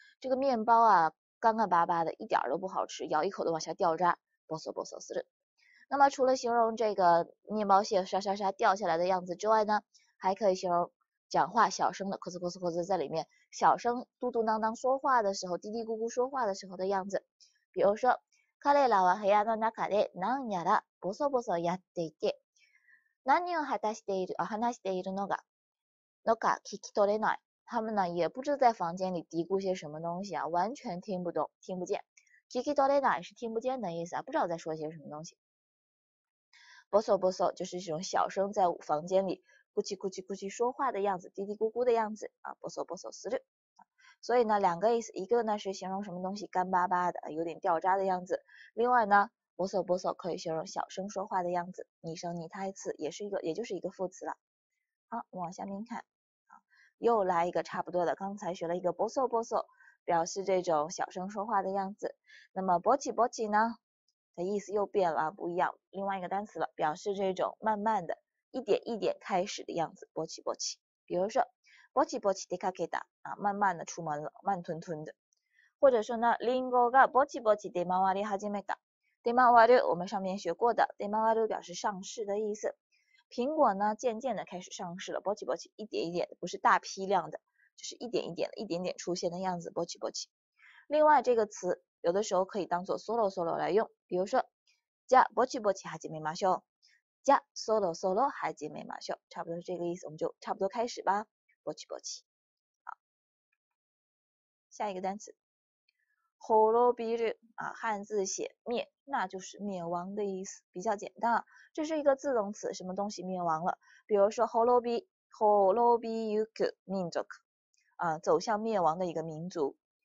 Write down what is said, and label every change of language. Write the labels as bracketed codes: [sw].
[zh] 这个面包啊，干干巴巴的，一点都不好吃，咬一口都往下掉渣，ボソボソする。那么除了形容这个面包屑沙沙沙掉下来的样子之外呢，还可以形容讲话小声的咳嗽咳嗽咳嗽在里面，小声嘟嘟囔囔说话的时候，嘀嘀咕咕说话的时候的样子。比如说， [ja] 彼らは部屋の中でなんやらボソボソやっていて、何を果たしている、あ、話しているのが、のか聞き取れない。 [zh] 他们呢也不知道在房间里嘀咕些什么东西啊，完全听不懂，听不见。 [ja] 聞き取れない [zh] 是听不见的意思啊，不知道在说些什么东西。ボソボソ就是这种小声在房间里咕叽咕叽咕叽说话的样子，嘀嘀咕咕的样子啊，ボソボソする。所以呢，两个意思，一个呢是形容什么东西干巴巴的，有点掉渣的样子；另外呢，ボソボソ可以形容小声说话的样子，拟声拟态词也是一个，也就是一个副词了。好，往下面看，又来一个差不多的，刚才学了一个ボソボソ，表示这种小声说话的样子。那么ボチボチ呢，它意思又变了，不一样，另外一个单词了，表示这种慢慢的，一点一点开始的样子。ボチボチ，比如说。 [ja] ぼちぼち出かけた [zh] 啊，慢慢的出门了，慢吞吞的。或者说呢， [ja] リンゴがぼちぼち出回り始めた。 [zh] 出回る，我们上面学过的，出回る表示上市的意思。苹果呢，渐渐的开始上市了。ぼちぼち，一点一点的，不是大批量的，就是一点一点的，一点点出现的样子。ぼちぼち。另外这个词，有的时候可以当做ソロソロ来用。比如说， [ja] じゃぼちぼち始めましょう。じゃソロソロ始めましょう。 [zh] 差不多是这个意思，我们就差不多开始吧。ぼちぼち。好，下一个单词，滅びる啊，汉字写灭，那就是灭亡的意思，比较简单啊。这是一个自动词，什么东西灭亡了？比如说 [ja] 滅びゆく民族 [zh] 啊，走向灭亡的一个民族。